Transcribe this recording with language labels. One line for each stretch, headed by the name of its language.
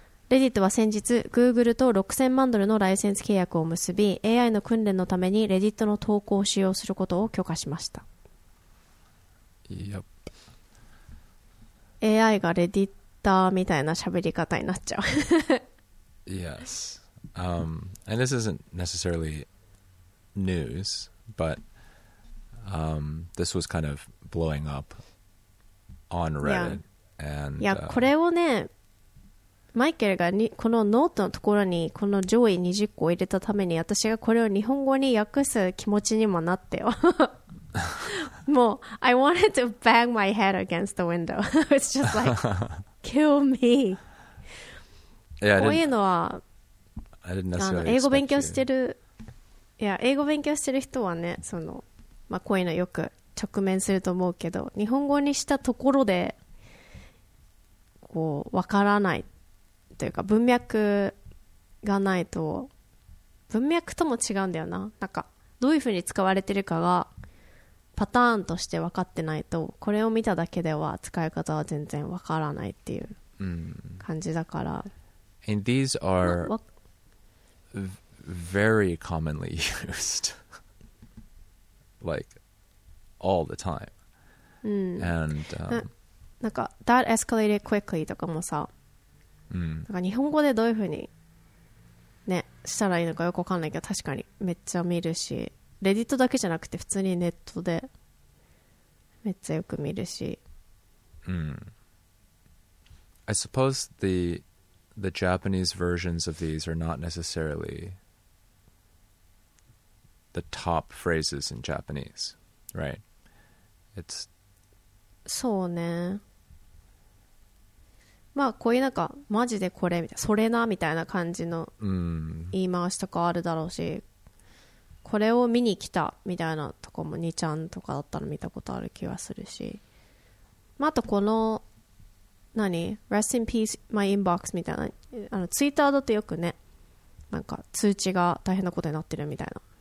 Japanese: レディットは先日 Google と6000万ドルのライセンス契約を結び、 AI の訓練のためにレディットの投稿を使用することを許可しました。
English: Yep.
Japanese: AI がレディッターみたいな喋り方になっちゃう。
English: Yes. And this isn't necessarily news, butthis was kind of blowing up on Reddit. And,
Japanese: いや、これをね、マイケルがにこのノートのところにこの上位20個を入れたために、私がこれを日本語に訳す気持ちにもなってよ。
English: もう I wanted to bang my head against the window. It's just like kill me. Yeah,
Japanese: こういうのは
English: I didn't necessarily
Japanese: 英語勉強してる、いや英語勉強してる人はね、そのまあ、こういうのよく直面すると思うけど、日本語にしたところでこう分からないというか、文脈がないと、文脈とも違うんだよな、なんかどういうふうに使われてるかがパターンとして分かってないと、これを見ただけでは使い方は全然分からないっていう感じだから、 mm.
English: And these are very commonly used like all the time、 mm. and、
Japanese: なんか
English: that escalated quickly
Japanese: とかもさ、 mm. なんか日本語でどういうふうにねしたらいいのかよくわかんないけど、確かにめっちゃ見るし、レディットだけじゃなくて普通にネットでめっちゃよく見るし、 mm.
English: I suppose the Japanese versions of these are not necessarilyThe top phrases in Japanese, right? It's.
Japanese: そうね。まあこういうなんかマジでこれみたいな、それなみたいな感じの言い回しとかあるだろうし、これを見に来たみたいなとかも2ちゃんとかだったら見たことある気がするし、まああとこの何 ？
English: Rest in peace my inbox
Japanese: みたいな、あのツイッターだとよくね、なんか通知が大変なことになってるみたいな。